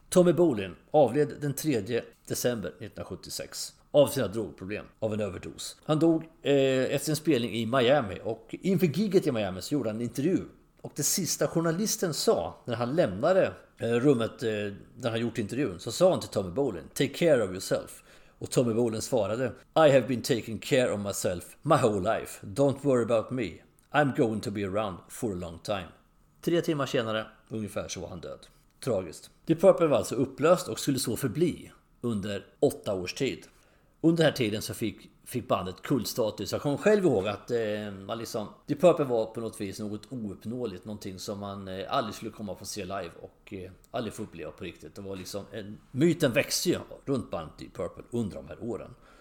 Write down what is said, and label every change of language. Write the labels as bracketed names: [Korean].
[Swedish] Tommy Bolin avled den 3 december 1976 av sina drogproblem, av en överdos. Han dog efter en spelning i Miami, och inför giget i Miami så gjorde han en intervju. Och det sista journalisten sa när han lämnade rummet där han gjort intervjun, så sa han till Tommy Bolin, [English] take care of yourself. [Swedish] Och Tommy Bolin svarade, [English] I have been taking care of myself my whole life. Don't worry about me. I'm going to be around for a long time. [Swedish] 3 timmar senare, ungefär, så var han död. Tragiskt. Deep Purple var alltså upplöst och skulle så förbli under 8 års tid. Under den här tiden så fick bandet kultstatus. Jag kommer själv ihåg att Deep Purple var på något vis något ouppnåeligt. Någonting som man aldrig skulle komma på att se live och aldrig få uppleva på riktigt. Det var liksom en myten växte ju runt bandet Deep Purple under de här åren.